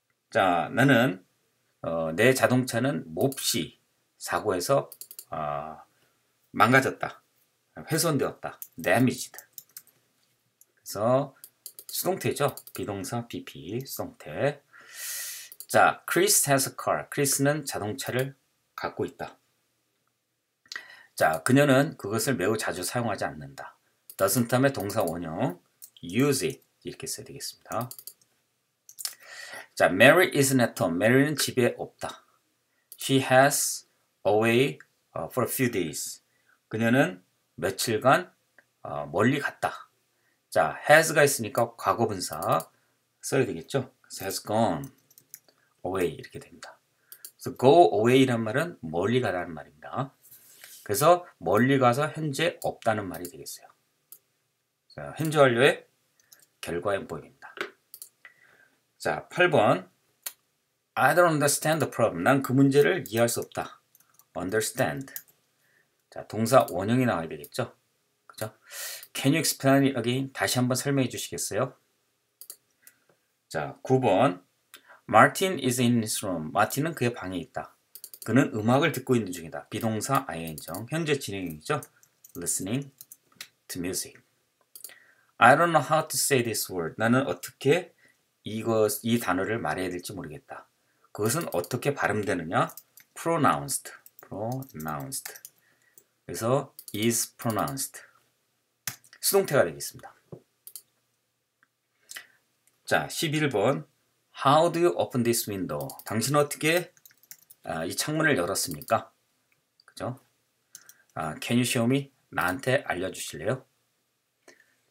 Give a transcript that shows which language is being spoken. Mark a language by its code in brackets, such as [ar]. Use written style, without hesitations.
[ko] 자, 나는 내 자동차는 몹시 사고에서 망가졌다. 훼손되었다. damaged. 그래서 수동태죠. 비동사 BP 수동태. 자, [en] Chris has a car. [ko] Chris는 자동차를 갖고 있다. 자, 그녀는 그것을 매우 자주 사용하지 않는다. doesn't 하면 동사 원형 use it 이렇게 써야 되겠습니다. [en] 자, Mary isn't at home. [ko] Mary는 집에 없다. [en] She has away for a few days. [ko] 그녀는 며칠간 멀리 갔다. 자, has가 있으니까 과거분사 써야 되겠죠. [en] has gone away [ko] 이렇게 됩니다. [en] So go away [ko] 란 말은 멀리 가다는 말입니다. 그래서 멀리 가서 현재 없다는 말이 되겠어요. 자, 현재 완료의 결과 형법입니다. 자, 8번. [en] I don't understand the problem. [ko] 난 그 문제를 이해할 수 없다. [en] understand. [ko] 자, 동사 원형이 나와야 되겠죠. 그죠? [en] Can you explain it again? [ko] 다시 한번 설명해 주시겠어요? 자, 9번. [en] Martin is in his room. [ko] 마틴은 그의 방에 있다. 그는 음악을 듣고 있는 중이다. 비동사 ing, 현재 진행형이죠. [en] listening to music. I don't know how to say this word. [ko] 나는 어떻게 이 단어를 말해야 될지 모르겠다. 그것은 어떻게 발음되느냐? [en] pronounced. pronounced. 그래서 is pronounced. [ko] 수동태가 되겠습니다. 자, 11번. [en] How do you open this window? [ko] 당신은 어떻게 이 창문을 열었습니까? 그죠? [en] Can you show me? [ko] 나한테 알려주실래요? 자, 이렇게 해서 24과 연습 문제가